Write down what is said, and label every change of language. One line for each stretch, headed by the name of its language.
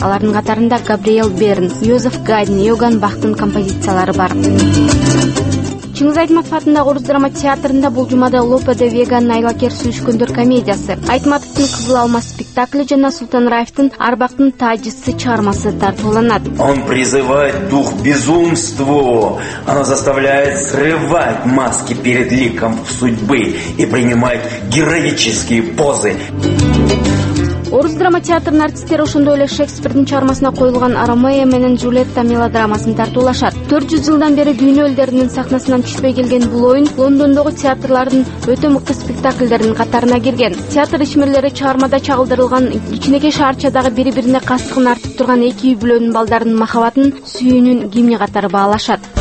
Kyrgyz: Алардын катарында Габриэл Берн, Йозеф Гайдн, Йоган Бахтын композициялары бар. Чыңгыз Айтматов атындагы орус драма театрында бул жумада Лопе де Веганын айлакер сүйүшкөндөр комедиясы, Айтматовдун Кызыл алмаз спектакли жана Султан Раевдин Арбактын тажысы чыгармасы тартууланат.
Russian: Он призывает дух безумству. Оно заставляет срывать маски перед ликом судьбы и принимает героические позы.
Kyrgyz: Орус драма театрынын артисттери ошондой эле Шекспирдин чыгармасына коюлган Ромео менен Джульетта мелодрамасын тартуулашат. 400 жылдан бери дүйнө элдеринин сахнасынан түшпөй келген бул оюн Лондондогу театрлардын өтө мыкты спектакльдеринин катарына кирген. Театр ишмерлери чыгармада чагылдырылган кичинекей шаарчадагы бири бирине кастыгын артып турган эки үй бүлөнүн балдарынын махабатын сүйүүнүн гимни катары баалашат.